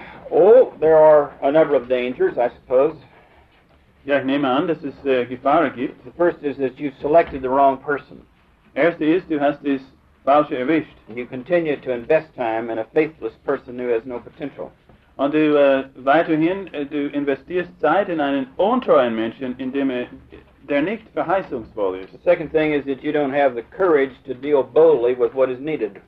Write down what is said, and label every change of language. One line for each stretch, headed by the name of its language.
English: Oh, there are a number of dangers, I suppose.
German: Ja, ich nehme an, dass es Gefahren gibt.
English: The first is that you've selected the wrong person.
German: Erste ist, du hast das Falsche erwischt.
English: And you continue to invest time in a faithless person who has no potential.
German: Und du weiterhin, du investierst Zeit in einen untreuen Menschen, in dem der nicht verheißungsvoll ist.
English: The second thing is that you don't have the courage to deal boldly with what is needed.